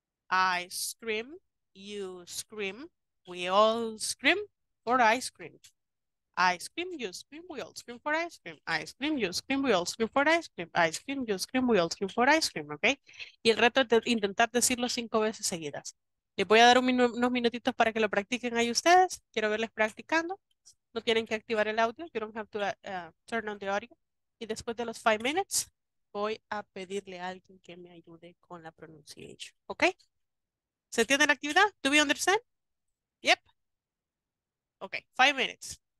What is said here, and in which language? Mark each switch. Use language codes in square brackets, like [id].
[en] I scream, you scream, we all scream for ice cream. I scream, you scream, we all scream for ice cream. I scream, you scream, we all scream for ice cream. I scream, you scream, we all scream for ice cream, ¿ok? [es] Y el reto es de intentar decirlo 5 veces seguidas. Les voy a dar unos minutitos para que lo practiquen ahí ustedes. Quiero verles practicando. No tienen que activar el audio. [en] You don't have to turn on the audio. [es] Y después de los [en] 5 minutes, [es] voy a pedirle a alguien que me ayude con la pronunciación. ¿Ok? ¿Se entiende la actividad? [en] Do we understand? Yep. Ok, 5 minutes.